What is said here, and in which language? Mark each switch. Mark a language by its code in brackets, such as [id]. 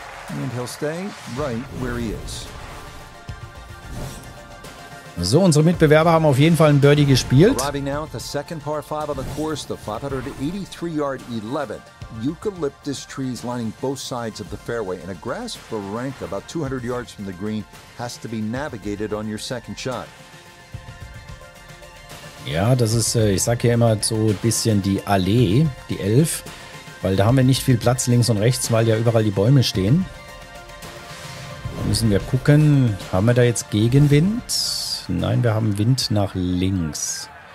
[en] And he'll stay right where he is. [de] So, unsere Mitbewerber haben auf jeden Fall einen Birdie gespielt. [en] Arriving now at the second par 5 on the course, the 583-yard 11th. Eucalyptus trees lining both sides of the fairway and a grass barranca about 200 yards from the green has to be navigated on your second shot. [de] Ja, das ist, ich sag hier immer so ein bisschen die Allee, die 11, weil da haben wir nicht viel Platz links und rechts, weil ja überall die Bäume stehen. Da müssen wir gucken, haben wir da jetzt Gegenwind? Nein, wir haben Wind nach links.